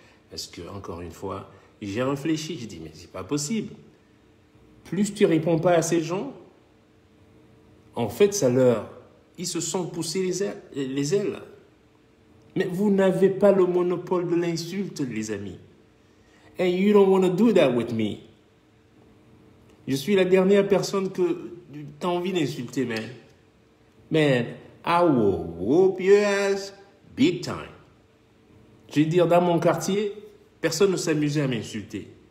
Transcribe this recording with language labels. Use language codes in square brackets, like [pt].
[fr] Parce que, encore une fois, j'ai réfléchi. J'ai dit, mais ce n'est pas possible. Plus tu ne réponds pas à ces gens, en fait, ça leur... Ils se sont poussés les ailes. Mais vous n'avez pas le monopole de l'insulte, les amis. [en] And you don't want to do that with me. [fr] Je suis la dernière personne que tu as envie d'insulter, man. [en] Man, I will whoop your ass big time. [fr] Je veux dire, dans mon quartier, personne ne s'amusait à m'insulter.